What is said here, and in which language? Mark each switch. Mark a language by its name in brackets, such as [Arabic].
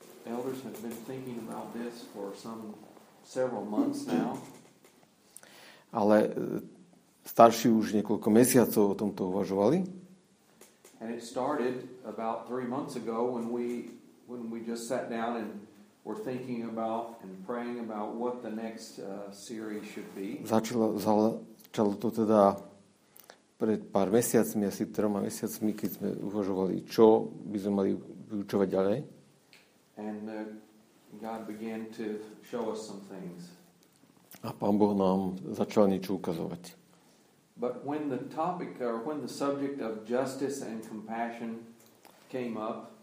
[English] Elders have been thinking about this for some several months now. [Slovak] Ale starší už niekoľko mesiacov o tomto uvažovali. [English] And it started about 3 months ago when we just sat down and were thinking about and praying about what the next series should be. [Slovak] Začalo to teda pred pár mesiacmi, asi 3 mesiacmi, keď sme uvažovali, čo by sme mali vyučovať ďalej. [English] And God began to show us some things. [Slovak] A Pán Boh nám začal niečo ukazovať. [English] But when the topic or when the subject of justice and compassion came up,